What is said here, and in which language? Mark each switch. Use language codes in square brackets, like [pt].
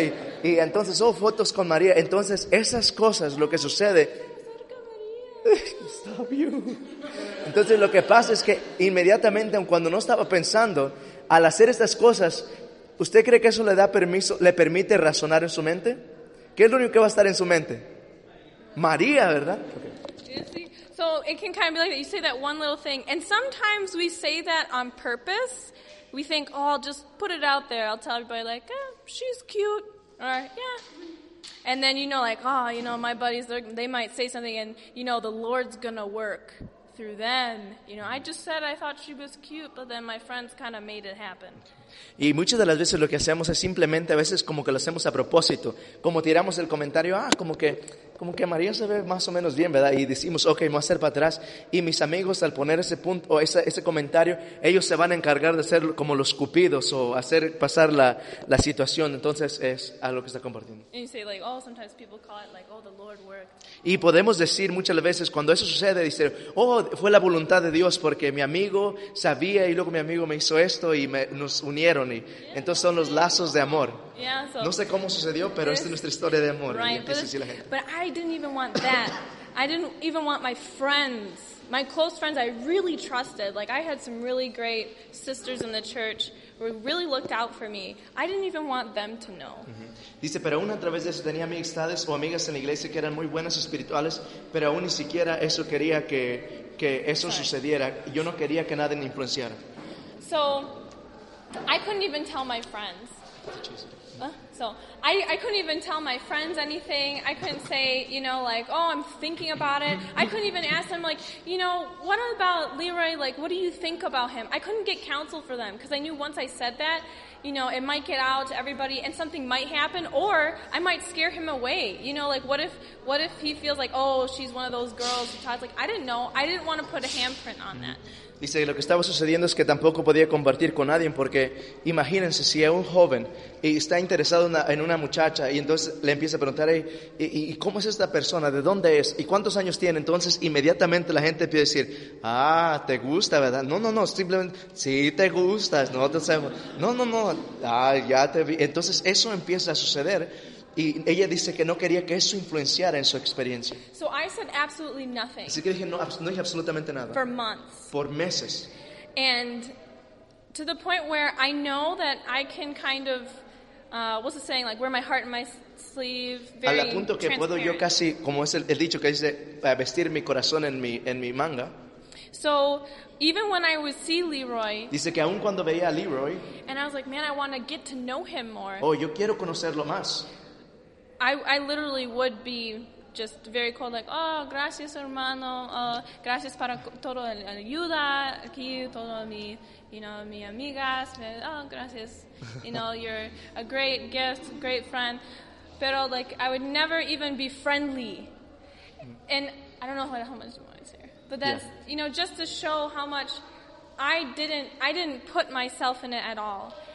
[es] Y entonces, oh, fotos con María. Entonces, esas cosas, lo que sucede... [en] Stop you. [es] Entonces, lo que pasa es que inmediatamente, aun cuando no estaba pensando, al hacer estas cosas, ¿usted cree que eso le da permiso, le permite razonar en su mente? ¿Qué es lo único que va a estar en su mente? María, ¿verdad? [en] Okay. So, it can kind of be like that. You say that one little thing. And sometimes we say that on purpose. We think, oh, I'll just put it out there. I'll tell everybody, like, eh, she's cute. Or, yeah. And then, you know, like, oh, you know, my buddies, they might say something, and, you know, the Lord's going to work through them. You know, I just said I thought she was cute, but then my friends kind of made it happen. [es] Y muchas de las veces lo que hacemos es simplemente, a veces como que lo hacemos a propósito. Como tiramos el comentario, ah, como que María se ve más o menos bien, ¿verdad? Y decimos, ok, me voy a hacer para atrás. Y mis amigos, al poner ese punto o ese comentario, ellos se van a encargar de ser como los cupidos o hacer pasar la situación. Entonces, es algo que está compartiendo. [en] And you say, like, oh, sometimes people call it, like, oh, the Lord worked. [es] Y podemos decir muchas veces, cuando eso sucede, dicen, oh, fue la voluntad de Dios porque mi amigo sabía y luego mi amigo me hizo esto y nos unieron. Y, [en] yeah. [es] Entonces, son los lazos de amor. [en] Yeah, so, [es] no sé cómo sucedió, pero esta es nuestra historia de amor. [en] Right, but I didn't even want that. I didn't even want my friends, my close friends I really trusted. Like, I had some really great sisters in the church who really looked out for me. I didn't even want them to know. [es] Dice, pero aún a través de eso tenía amistades o amigas en la iglesia que eran muy buenas espirituales, pero aún ni siquiera eso quería que eso sucediera. Yo no quería que nadie me influenciara. [en] So, I couldn't even tell my friends. So I couldn't even tell my friends anything. I couldn't say, you know, like, oh, I'm thinking about it. I couldn't even ask them, like, you know, what about Leroy? Like, what do you think about him? I couldn't get counsel for them because I knew once I said that, you know, it might get out to everybody and something might happen, or I might scare him away. You know, like, what if he feels like, oh, she's one of those girls who talks? Like, I didn't know. I didn't want to put a handprint on that. [es] Dice, lo que estaba sucediendo es que tampoco podía compartir con nadie, porque imagínense si es un joven y está en interesado en una muchacha y entonces le empieza a preguntar, ¿y cómo es esta persona? ¿De dónde es? ¿Y cuántos años tiene? Entonces inmediatamente la gente empieza a decir, ah, te gusta, ¿verdad? No, simplemente, sí te gustas, nosotros sabemos. No, ah, ya te vi. Entonces eso empieza a suceder. Y ella dice que no quería que eso influenciara en su experiencia. [en] So I said absolutely nothing. [es] Así que dije, no dije absolutamente nada. [en] For months. [es] Por meses. [en] And to the point where I know that I can kind of, what's the saying, like wear my heart in my sleeve, very transparent. [es] Al punto que puedo yo casi, como es el dicho que dice, vestir mi corazón en mi manga. [en] So even when I would see Leroy, [es] dice que aun cuando veía a Leroy, [en] and I was like, man, I want to get to know him more. [es] Oh, yo quiero conocerlo más. [en] I literally would be just very cold, like, oh, [es] gracias, hermano. Gracias para todo el ayuda aquí, todo mi, [en] you know, [es] mi amigas. Oh, gracias. [en] You know, you're a great gift, great friend. Pero, like, I would never even be friendly. And I don't know how much more is here. But that's, yeah. You know, just to show how much I didn't put myself in it at all.